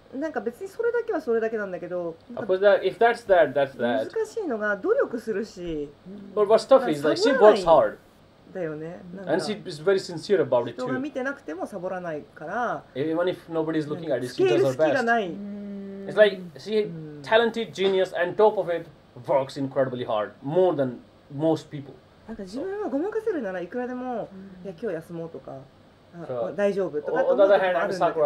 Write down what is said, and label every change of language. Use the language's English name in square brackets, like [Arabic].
[Japanese] なんか別にそれだけはそれだけなんだけど、 [English] if that's that, that's that. [Japanese] 難しいのが努力するし。 [English] But what's tough is like she works hard. [Japanese] だよね、 [English] And she is very sincere about it too. [Japanese] 人が見てなくてもサボらないから。 [English] Even if nobody is looking at it, she does her best. It's like she talented, genius, and top of it works incredibly hard, more than most people. [Japanese] なんか自分はごまかせるならいくらでも、いや今日休もうとか、大丈夫とかと思うこともあるんだけど。